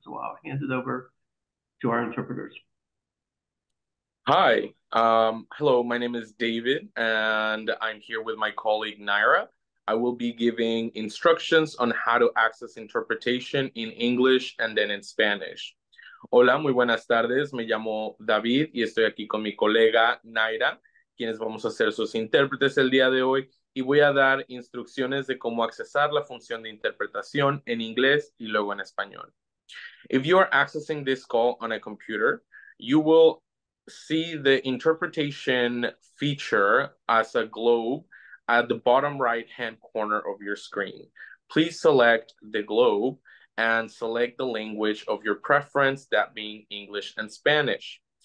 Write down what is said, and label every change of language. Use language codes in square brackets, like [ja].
[en] So I'll hand it over to our interpreters. Hi. Hello, my name is David, and I'm here with my colleague, Naira. I will be giving instructions on how to access interpretation in English and then in Spanish. [es] Hola, muy buenas tardes. Me llamo David y estoy aquí con mi colega Naira, quienes vamos a ser sus intérpretes el día de hoy y voy a dar instrucciones de cómo accesar la función de interpretación en inglés y luego en español. [en] If you are accessing this call on a computer, you will see the interpretation feature as a globe at the bottom right-hand corner of your screen. Please select the globe and select the language of your preference, that being English and Spanish.